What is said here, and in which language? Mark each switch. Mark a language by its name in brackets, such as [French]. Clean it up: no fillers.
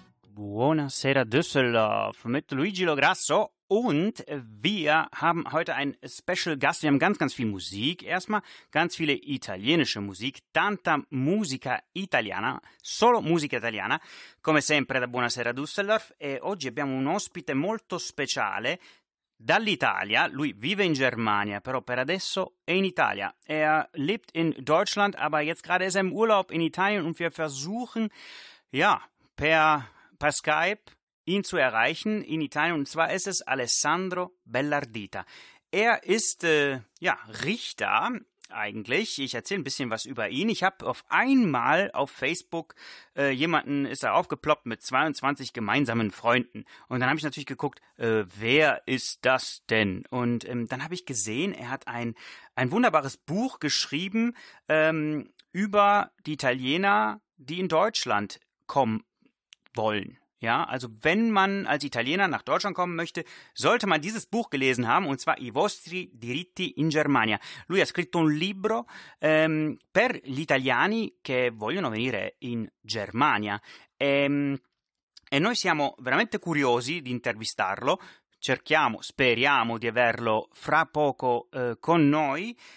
[German] Buonasera Düsseldorf mit Luigi Lograsso und wir haben heute einen Special Gast. Wir haben ganz, ganz viel Musik erstmal, ganz viele italienische Musik, [Italian] tanta musica italiana, solo musica italiana, come sempre da [German] Buonasera Düsseldorf. [Italian] E oggi abbiamo un ospite molto speciale dall'Italia, lui vive in Germania, però per adesso è in Italia. [German] Er lebt in Deutschland, aber jetzt gerade ist er im Urlaub in Italien und wir versuchen, ja, per Skype ihn zu erreichen in Italien. Und zwar ist es Alessandro Bellardita. Er ist, ja, Richter eigentlich. Ich erzähle ein bisschen was über ihn. Ich habe auf einmal auf Facebook jemanden, ist er aufgeploppt mit 22 gemeinsamen Freunden. Und dann habe ich natürlich geguckt, wer ist das denn? Und dann habe ich gesehen, er hat ein wunderbares Buch geschrieben über die Italiener, die in Deutschland kommen wollen. Ja, also wenn man als Italiener nach Deutschland kommen möchte, sollte man dieses Buch gelesen haben, und zwar I vostri diritti in Germania. [Italian] Lui ha scritto un libro per gli italiani che vogliono venire in Germania. E noi siamo veramente curiosi di intervistarlo. Cerchiamo, speriamo di averlo fra poco con noi.